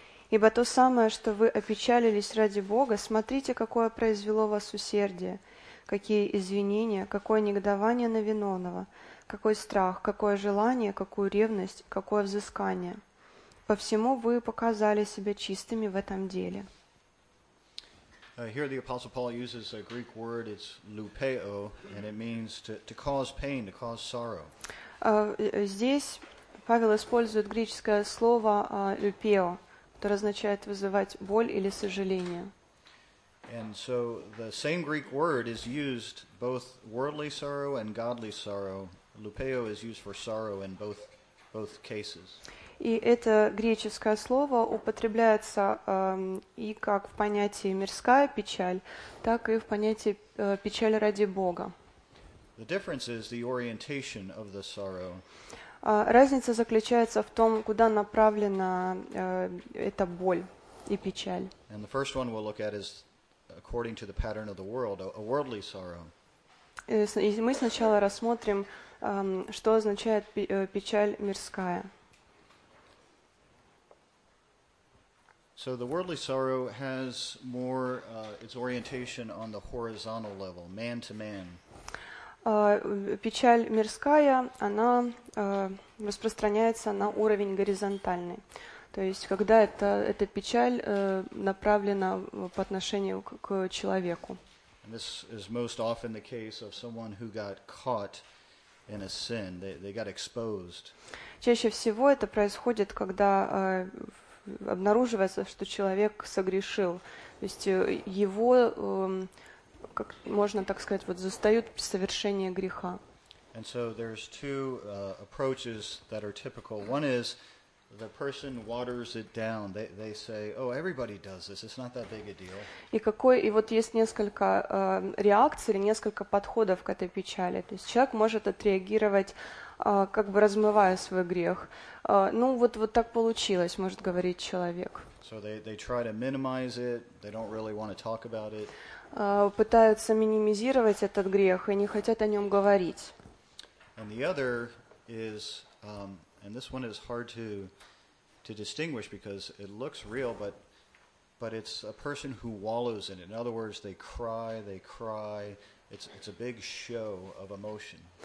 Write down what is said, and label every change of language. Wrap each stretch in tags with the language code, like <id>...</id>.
<ru>Ибо то самое, что вы опечалились ради Бога, смотрите, какое произвело вас усердие, какие извинения, какое негодование на виновного». Какой страх, какое желание, какую ревность, какое взыскание. По всему вы показали себя чистыми в этом деле.</ru> <en>Here the Apostle Paul uses a Greek word, it's lupeo, and it means to cause pain, to cause sorrow.</en> <ru>Здесь Павел использует греческое слово lupeo, которое означает вызывать боль или сожаление.</ru> <en>And so the same Greek word is used both worldly sorrow and godly sorrow. Lupeo is used for sorrow in both cases.</en> <ru>И это греческое слово употребляется и как в понятии мирская печаль, так и в понятии печаль ради Бога.</ru> <en>The difference is the orientation of the sorrow.</en> <ru>Разница заключается в том, куда направлена эта боль и печаль.</ru> <en>And the first one we'll look at is according to the pattern of the world, a worldly sorrow.</en> <ru>И мы сначала рассмотрим что означает печаль мирская.</ru> <en>So the worldly sorrow has more its orientation on the horizontal level, man to man.</en> <ru>Печаль мирская, она распространяется на уровень горизонтальный. То есть, когда эта печаль направлена по отношению к человеку.</ru> <en>And this is most often the case of someone who got caught in a sin, they got exposed.</en> <ru>Чаще всего это происходит, когда обнаруживается, что человек согрешил. То есть его, как можно так сказать, вот застают при совершении греха.</ru> <en>And so there's two approaches that are typical. One is the person waters it down. They say, "Oh, everybody does this. It's not that big a deal."</en> <ru>И вот есть несколько реакций или несколько подходов к этой печали. То есть человек может отреагировать, как бы размывая свой грех. Вот так получилось, может говорить человек.</ru> <en>So they try to minimize it. They don't really want to talk about it.</en> <ru>Пытаются минимизировать этот грех и не хотят о нем говорить.</ru> <en>And the other is And this one is hard to distinguish because it looks real, but it's a person who wallows in it. In other words, they cry. It's a big show of emotion.</en>